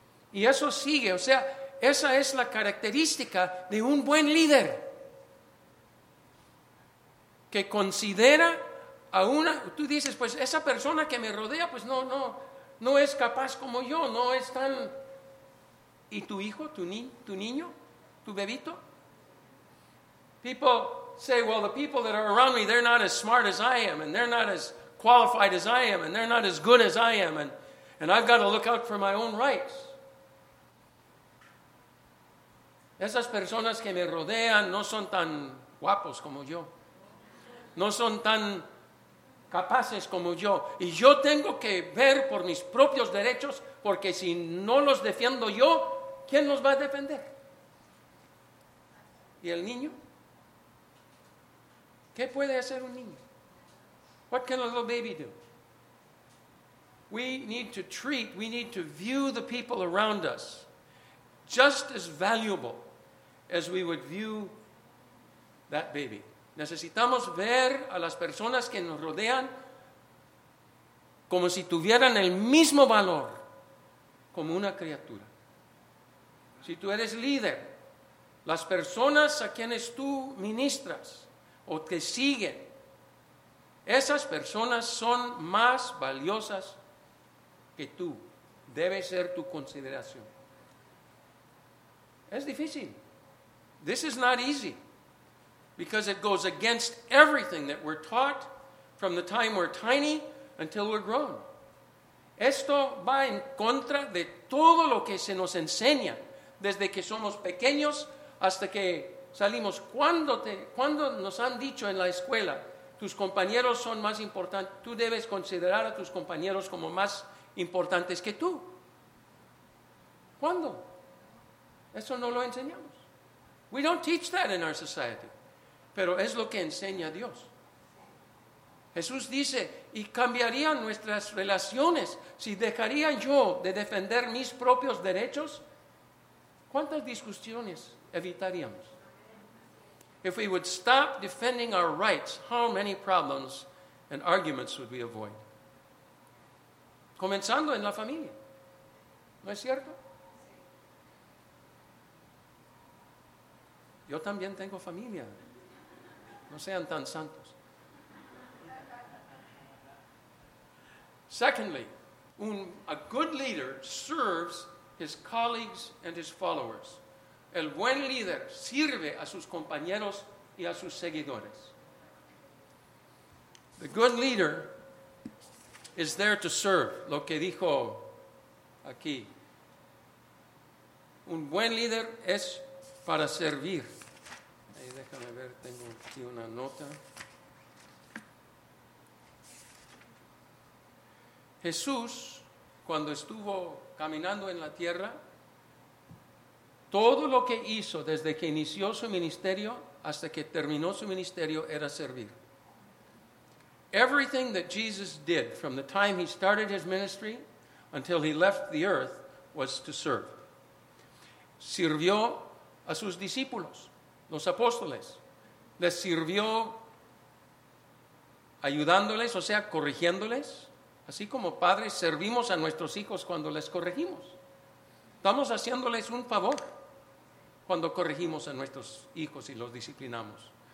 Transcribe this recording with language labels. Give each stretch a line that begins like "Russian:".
Spanish: Y eso sigue, o sea, esa es la característica de un buen líder, que considera a una, tú dices, pues esa persona que me rodea, pues no es capaz como yo, no es tan... ¿Y tu hijo, tu niño, tu bebito?
English: People say, well, the people that are around me, they're not as smart as I am, and they're not as qualified as I am, and they're not as good as I am, and I've got to look out for my own rights.
Spanish: Esas personas que me rodean no son tan guapos como yo. No son tan capaces como yo. Y yo tengo que ver por mis propios derechos, porque si no los defiendo yo, ¿quién los va a defender? ¿Y el niño? ¿Qué puede hacer un niño?
English: What can a little baby do? We need to treat, we need to view the people around us just as valuable as we would view that baby.
Spanish: Necesitamos ver a las personas que nos rodean como si tuvieran el mismo valor como una criatura. Si tú eres líder, las personas a quienes tú ministras o te siguen, esas personas son más valiosas que tú. Debe ser tu consideración. Es difícil.
English: This is not easy, because it goes against everything that we're taught from the time we're tiny until we're grown.
Spanish: Esto va en contra de todo lo que se nos enseña desde que somos pequeños hasta que salimos. ¿Cuándo nos han dicho en la escuela, tus compañeros son más importantes, tú debes considerar a tus compañeros como más importantes que tú? ¿Cuándo? Eso no lo enseñamos.
English: We don't teach that in our society.
Spanish: Pero es lo que enseña Dios. Jesús dice, y cambiarían nuestras relaciones si dejaría yo de defender mis propios derechos. ¿Cuántas discusiones evitaríamos?
English: If we would stop defending our rights, how many problems and arguments would we avoid?
Spanish: Comenzando en la familia. ¿No es cierto? Yo también tengo familia. No sean tan santos.
English: Secondly, a good leader serves his colleagues and his followers.
Spanish: El buen líder sirve a sus compañeros y a sus seguidores.
English: The good leader is there to serve.
Spanish: Lo que dijo aquí. Un buen líder es para servir. Déjame ver, tengo aquí una nota. Jesús, cuando estuvo caminando en la tierra, todo lo que hizo desde que inició su ministerio hasta que terminó su ministerio era servir.
English: Everything that Jesus did from the time he started his ministry until he left the earth was to serve.
Spanish: Sirvió a sus discípulos. Los apóstoles les sirvió ayudándoles, o sea, corrigiéndoles. Así como padres servimos a nuestros hijos cuando les corregimos. Estamos haciéndoles un favor cuando corregimos a nuestros hijos y los disciplinamos.